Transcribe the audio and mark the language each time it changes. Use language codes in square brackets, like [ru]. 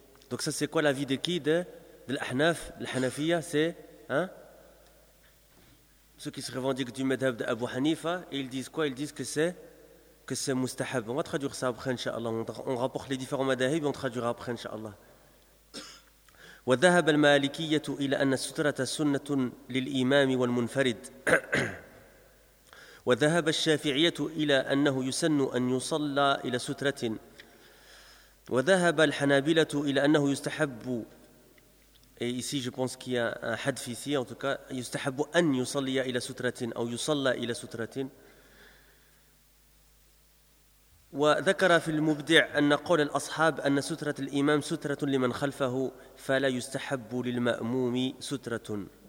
[fr] Donc ça c'est quoi l'avis de qui de l'Ahnaf, l'Hanafiyya, c'est ceux qui se revendiquent du madhab d'Abu Hanifa, et ils disent quoi? Ils disent que c'est mustahab. On va traduire ça après, inshallah. On rapporte les différents madhahib, on traduira après, inshallah. [ar] وذهب المالكية إلى أن السترة سنة للإمام والمنفرد. وذهب الشافعية إلى أنه يسن أن يصلى إلى سترة. وذهب الحنابلة إلى أنه يستحب. [fr] ici je pense qu'il y a un hadf ici, en tout cas [ar] يستحب أن يصلي إلى سترة [fr] أو يصلى إلى سترة. [ar] وذكر في المبدع أن قول الأصحاب أن سترة الإمام سترة لمن خلفه فلا يستحب للمأموم سترة.